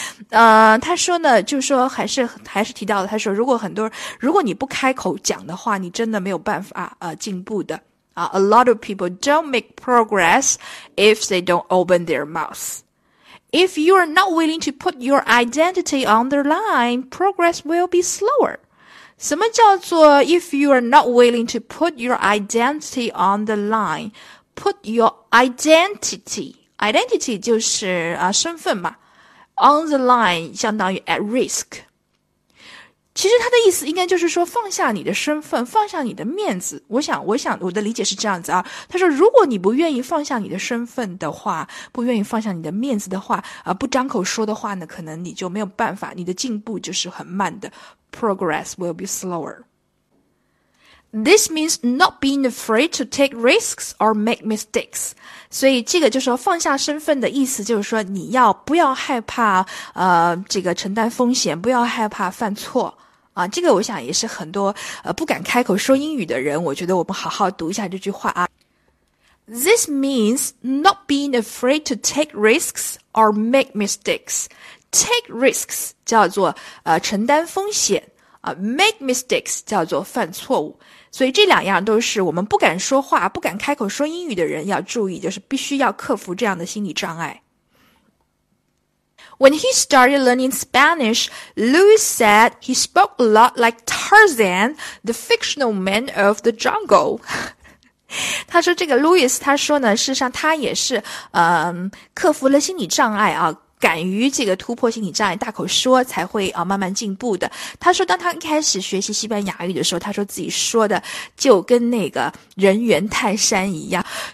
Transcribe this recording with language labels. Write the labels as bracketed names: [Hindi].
[Chinese] 他说呢，就说还是提到的，他说如果你不开口讲的话，你真的没有办法进步的。 [English] A lot of people don't make progress if they don't open their mouth. If you are not willing to put your identity on the line, progress will be slower. [Chinese] 什么叫做 [English] if you are not willing to put your identity on the line? Put your identity [Chinese] 就是身份嘛 [English] on the line [Chinese] 相当于 [English] at risk。 [Chinese] 其实他的意思应该就是说放下你的身份，放下你的面子。我想我的理解是这样子啊。他说如果你不愿意放下你的身份的话，不愿意放下你的面子的话，不张口说的话呢，可能你就没有办法，你的进步就是很慢的。 [English] Progress will be slower. This means not being afraid to take risks or make mistakes. [Chinese] 所以这个就是说放下身份的意思，就是说你要不要害怕这个承担风险，不要害怕犯错。啊，这个我想也是很多不敢开口说英语的人，我觉得我们好好读一下这句话啊。 [English] This means not being afraid to take risks or make mistakes. Take risks [Chinese] 叫做承担风险啊 ， [English] make mistakes [Chinese] 叫做犯错误。所以这两样都是我们不敢说话、不敢开口说英语的人要注意，就是必须要克服这样的心理障碍。 [English] When he started learning Spanish, Luis said he spoke a lot like Tarzan, the fictional man of the jungle. [Chinese] 他说这个 Luis, 他说呢，事实上他也是克服了心理障碍啊，敢于这个突破心理障碍，大口说才会慢慢进步的。他说当他一开始学习西班牙语的时候，他说自己说的就跟那个人猿泰山一样。